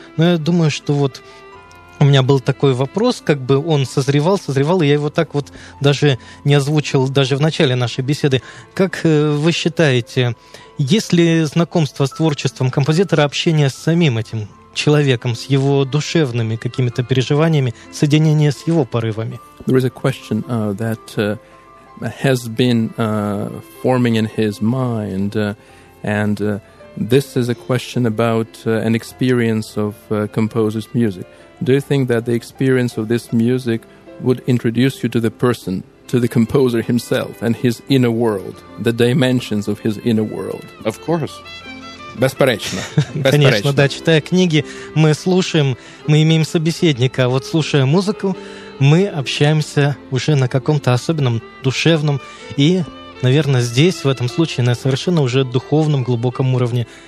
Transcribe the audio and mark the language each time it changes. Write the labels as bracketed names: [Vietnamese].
[Russian] Но я думаю, что вот у меня был такой вопрос, как бы он созревал, и я его так вот даже не озвучил даже в начале нашей беседы. Как вы считаете, есть ли знакомство с творчеством композитора, общение с самим этим человеком, с его душевными какими-то переживаниями, соединение с его порывами? [English] There is a question that has been forming in his mind, and this is a question about an experience of composer's music. Do you think that the experience of this music would introduce you to the person, to the composer himself and his inner world, the dimensions of his inner world? Of course. [Ukrainian] Бесперечно. [Russian] Конечно, да, читая книги, мы слушаем, мы имеем собеседника, а вот слушая музыку, мы общаемся уже на каком-то особенном, душевном и, наверное, здесь, в этом случае, на совершенно уже духовном, глубоком уровне.